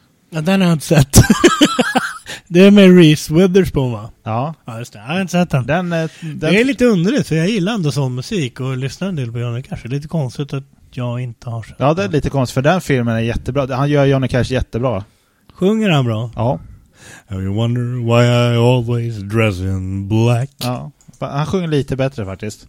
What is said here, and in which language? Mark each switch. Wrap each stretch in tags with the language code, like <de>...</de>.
<sv>Ja, den har jag inte sett. Det är med Reese Witherspoon, va? Ja. Ja, just det. Jag har inte sett den. Den det är lite underligt, för jag gillar ändå sån musik och lyssnar en del på Johnny Cash. Det är lite konstigt att jag inte har sett. Ja, det är lite konstigt, för den filmen är jättebra. Han gör Johnny Cash jättebra. Sjunger han bra? Ja.</sv> <en>Have you wonder why I always dress in black?</en> <sv>Ja, han sjunger lite bättre faktiskt.</sv>